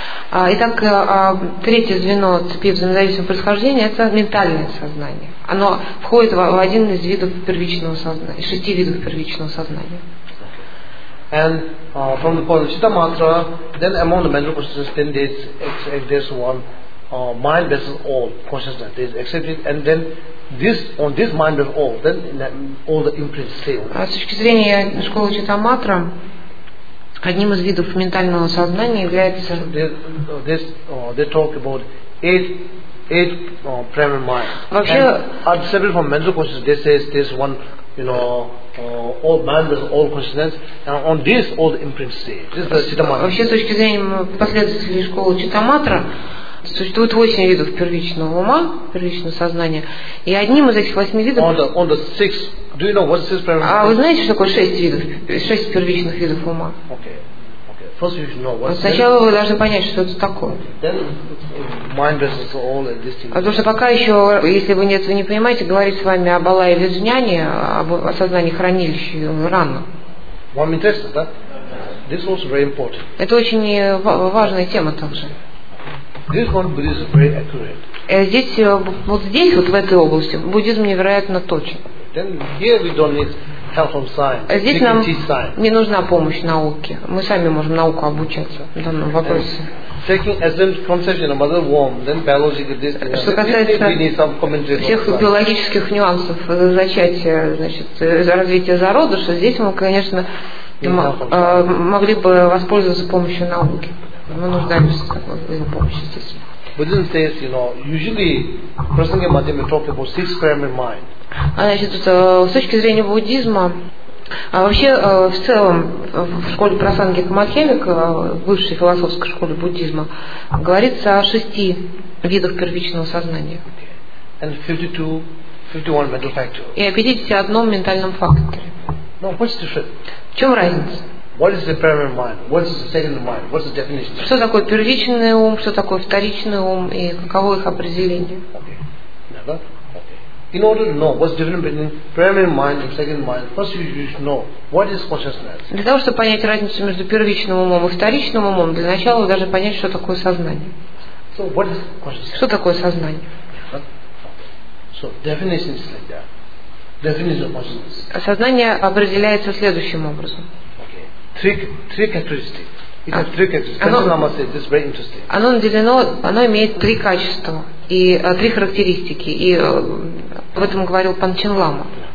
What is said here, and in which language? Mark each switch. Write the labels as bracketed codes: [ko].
[ru] Итак, третье звено цепи взаимозависимого происхождения — это ментальное сознание. Оно входит в один из видов первичного сознания, из шести видов первичного сознания. [en] And from the point of Citta Matra, then among the mental consciousness, then there's one. Mind versus all consciousness is accepted, and then this on this mind of all, then all the imprints stay. [ru] С точки зрения школы Читаматра, одним из видов ментального сознания является. [en] They talk about eight primary mind. [ru] Вообще, [en] and separate from mental consciousness, they say this one, you know, all mind versus all consciousness, and on this all the imprints stay. This is the Читаматра. [ru] Вообще, с точки зрения последователей школы Читаматра. Существует 8 видов первичного ума, первичного сознания, и одним из этих 8 видов. А вы знаете, что такое 6 видов, 6 первичных видов ума? [en] First you should know what. [ru] Сначала вы должны понять, что это такое. [en] Mind versus all and this thing. [ru] Потому что пока еще, если вы этого не понимаете, говорить с вами об Алае или Джняне, о сознании хранилища рано. Вам интересно, да? [en] This was very important. [ru] Это очень важная тема также. [en] This one Buddhism is very accurate. [ru] Здесь, вот здесь, вот в этой области, буддизм невероятно точен. [en] Then here we don't need help from science. [ru] Здесь нам не нужна помощь науки. Мы сами можем науку обучаться в данном вопросе. [en] Taking as in conception of mother womb, then biological distance. [ru] Что касается всех биологических нюансов зачатия, значит, развития зародыша, здесь мы, конечно, могли бы воспользоваться помощью науки. Мы нуждаемся в его помощи здесь. [en] Within states, you know, usually Prasanga Madhyama talk about six primary mind. [ru] Значит, с точки зрения буддизма, вообще в целом в школе Прасанги Камадхевик, высшей философской школе буддизма, говорится о шести видах первичного сознания. [en] And 52-51 mental factors. [ru] И о 51 ментальном факторе. [en] No, what's the difference? [ru] В чем разница? [en] What is the primary mind? What is the second mind? What is the definition? [ru] Что такое первичный ум? Что такое вторичный ум? И каково их определение? [en] Okay. In order to know what's the difference between primary mind and second mind, first you should know what is consciousness. [ru] Для того, чтобы понять разницу между первичным умом и вторичным умом, для начала вы должны понять, что такое сознание. [en] So what is consciousness? [ru] Что такое сознание? [en] So definition is like that. Definition of consciousness. [ru] Сознание определяется следующим образом. [en] Three characteristics. It has three characteristics. Lama says this is very interesting. [ru] Оно наделено, оно имеет три качества и три характеристики. И об этом говорил Панчен Лама.